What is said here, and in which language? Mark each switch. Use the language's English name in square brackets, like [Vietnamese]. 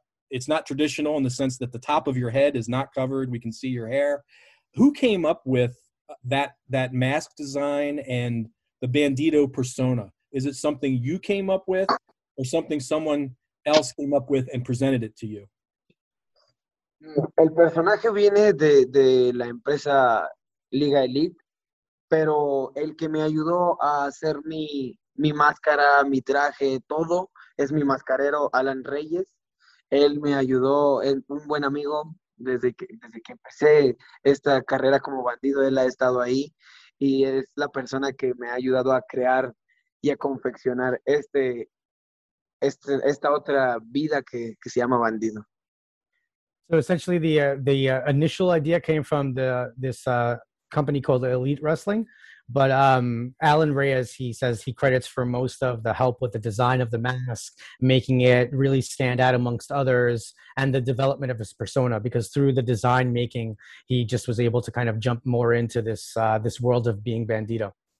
[English] It's not traditional in the sense that the top of your head is not covered. We can see your hair. Who came up with that mask design and the Bandido persona? Is it something you came up with or something someone else came up with and presented it to you? [Spanish] El personaje viene de la empresa Liga Elite. Pero el que me ayudó a hacer mi máscara, mi traje, todo, es mi mascarero Alan Reyes. Él me ayudó, un buen amigo, desde que empecé esta carrera como bandido, él ha estado ahí y es la persona que me ha ayudado a crear y a confeccionar esta otra vida que se llama bandido. [English] So essentially the initial idea came from this company called Elite Wrestling, but Alan Reyes, he says he credits for most of the help with the design of the mask, making it really stand out amongst others, and the development of his persona, because through the design making, he just was able to kind of jump more into this world of being Bandido.